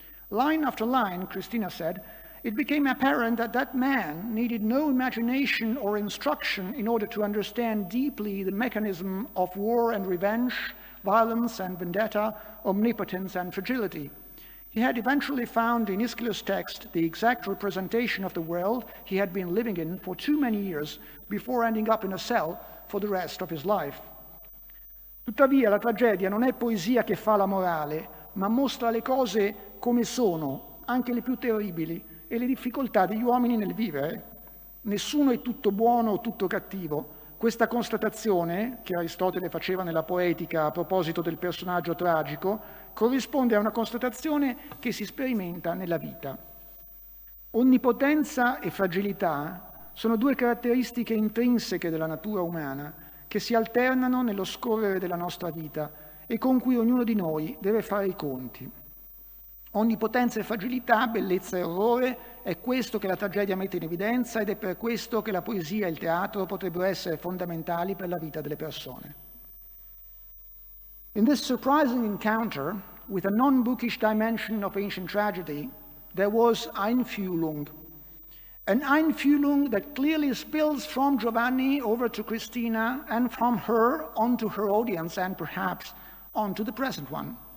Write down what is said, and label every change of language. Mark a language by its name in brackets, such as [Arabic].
[English] Line after line, Cristina said, it became apparent that that man needed no imagination or instruction in order to understand deeply the mechanism of war and revenge, violence and vendetta, omnipotence and fragility. He had eventually found in Aeschylus' text the exact representation of the world he had been living in for too many years before ending up in a cell for the rest of his life. [Italian] Tuttavia, la tragedia non è poesia che fa la morale, ma mostra le cose come sono, anche le più terribili, e le difficoltà degli uomini nel vivere. Nessuno è tutto buono o tutto cattivo. Questa constatazione, che Aristotele faceva nella Poetica a proposito del personaggio tragico, corrisponde a una constatazione che si sperimenta nella vita. Onnipotenza e fragilità sono due caratteristiche intrinseche della natura umana che si alternano nello scorrere della nostra vita e con cui ognuno di noi deve fare i conti. Onnipotenza e fragilità, bellezza e orrore, è questo che la tragedia mette in evidenza ed è per questo che la poesia e il teatro potrebbero essere fondamentali per la vita delle persone. [English] In this surprising encounter with a non-bookish dimension of ancient tragedy, there was Einfühlung. An Einfühlung that clearly spills from Giovanni over to Cristina and from her onto her audience and perhaps onto the present one.